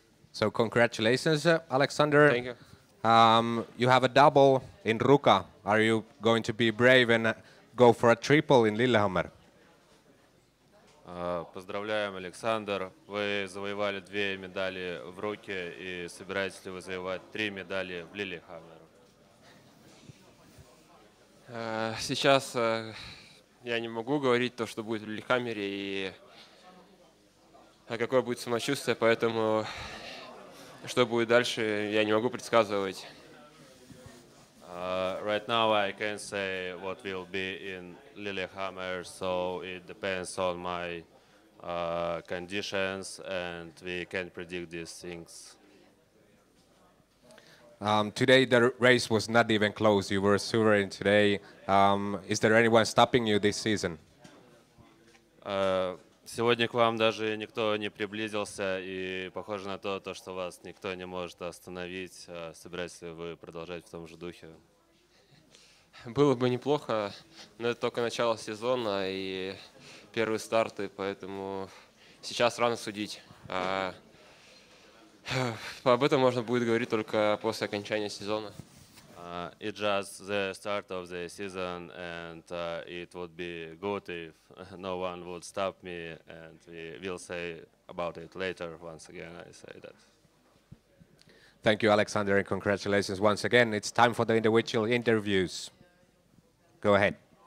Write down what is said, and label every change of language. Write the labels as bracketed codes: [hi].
[en] So congratulations, Alexander. Thank you. You have a double in Ruka. Are you going to be brave and go for a triple in Lillehammer? [ru] Поздравляем, Александр. Вы завоевали две медали в Руке и собираетесь ли вы завоевать три медали в Lillehammer? Сейчас я не могу говорить то, что будет в Лиллехаммере и какое будет самочувствие, поэтому что будет дальше, я не могу предсказывать. [en] Right now I can't say what will be in Lillehammer, so it depends on my conditions and we can't predict these things. Today the race was not even close. You were sovereign today. Is there anyone stopping you this season? [ru] Сегодня к вам даже никто не приблизился, и похоже на то, что вас никто не может остановить. Собираетесь ли вы продолжать в том же духе? Было бы неплохо, но это только начало сезона и первые старты, поэтому сейчас рано судить. Об этом можно будет говорить только после окончания сезона. [en] It's just the start of the season, and it would be good if no one would stop me, and we will say about it later. Once again, I say that. Thank you, Alexander, and congratulations once again. It's time for the individual interviews. Go ahead.